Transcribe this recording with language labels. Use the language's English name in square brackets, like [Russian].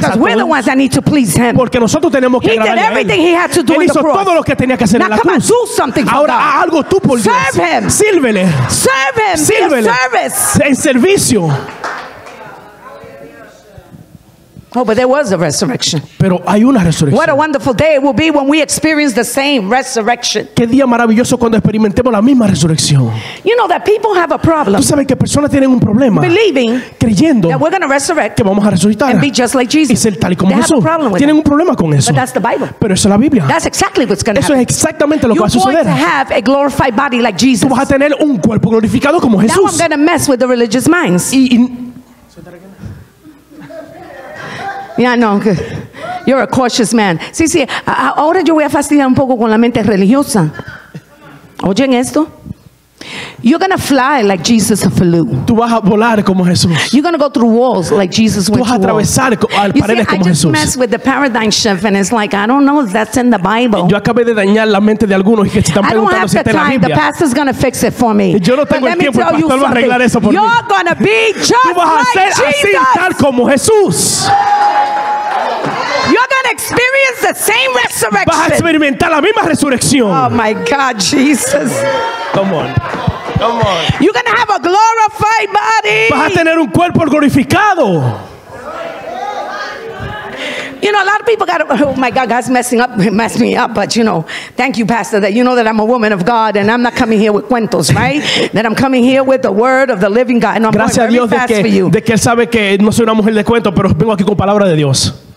[English] Because we're the ones that need to please him. [Spanish] Porque nosotros tenemos que agradarle a él. [English] He did everything he had to do in the cross. [Spanish] Él hizo todo lo que tenía que hacer en la cruz. [English] Now come on, do something for [Spanish] ahora, [English] God. [Spanish] Ahora algo tú por [English] serve [Spanish] Dios. [English] Serve him. [Spanish] Sírvele. [English] Serve him. [Spanish] Sírvele. [English] In service. [Spanish] En servicio. [English] Oh, but there was a resurrection. [Spanish] Pero hay una resurrección. [English] What a wonderful day it will be when we experience the same resurrection. [Spanish] Qué día maravilloso cuando experimentemos la misma resurrección. [English] You know that people have a problem. [Spanish] Tú sabes que personas tienen un problema. [English] Believing. [Spanish] Creyendo. [English] That we're going to resurrect. [Spanish] Que vamos a resucitar. [English] And be just like Jesus. [Spanish] Y ser tal y como [English] they [Spanish] Jesús. [English] Have a problem with [Spanish] tienen [English] that. [Spanish] Un problema con eso. [English] But that's the Bible. [Spanish] Pero eso es la Biblia. [English] That's exactly what's going to happen. [Spanish] Eso es exactamente lo que va a suceder. [English] You're going to have a glorified body like Jesus. [Spanish] Tú vas a tener un cuerpo glorificado como Jesús. [English] Now I'm going to mess with the religious minds. Yeah, no, you're a cautious man. [Spanish] Sí, sí, ahora yo voy a fastidiar un poco con la mente religiosa. ¿Oyen esto? [English] You're going to fly like Jesus flew. [Spanish] Tú vas a volar como Jesús. [English] You're going to go through walls like Jesus went through. [Spanish] Tú vas a atravesar paredes como Jesús. [English] You see, I just messed with the paradigm shift and it's like, I don't know if that's in the Bible. [Spanish] Yo acabé de dañar la mente de algunos y que están preguntando si está en la Biblia. [English] I don't have the time. The pastor's going to fix it for me. [Spanish] Yo no tengo el tiempo, el pastor va a arreglar eso por mí. [English] You're going to be just like Jesus. [Spanish] Tú vas a ser así, tal como Jesús. [English] You're going to experience the same resurrection. [Spanish] Vas a experimentar la misma resurrección. [English] Oh my God, Jesus. Come on. Come on. You're going to have a glorified body. [Spanish] Vas a tener un cuerpo glorificado. [English] You know, a lot of people got, oh my God, God's messing up, messed me up, but you know, thank you, Pastor, that you know that I'm a woman of God and I'm not coming here with cuentos, right? That I'm coming here with the word of the living God. And I'm [Spanish] gracias [English] going very [Spanish] a Dios [English] fast [Spanish] de que, [English] for you. [Spanish] De que él sabe que no soy una mujer de cuentos, pero vengo aquí con palabra de Dios.